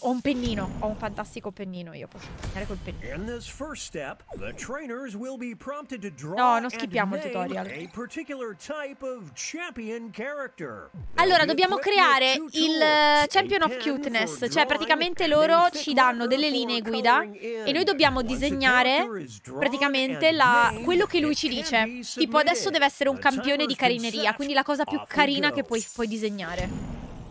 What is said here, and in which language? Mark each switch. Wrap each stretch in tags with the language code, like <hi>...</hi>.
<it>Ho un pennino, ho un fantastico pennino, io posso disegnare col pennino.</it> <en>In this first step, the trainers will be prompted to draw.</en> <it>No, non skippiamo il tutorial.</it> <en>A particular type of champion character.</en> <it>Allora, dobbiamo creare il champion of cuteness, cioè praticamente loro ci danno delle linee guida e noi dobbiamo disegnare praticamente la quello che lui ci dice. Tipo adesso deve essere un campione di carineria, quindi la cosa più carina che puoi disegnare.</it>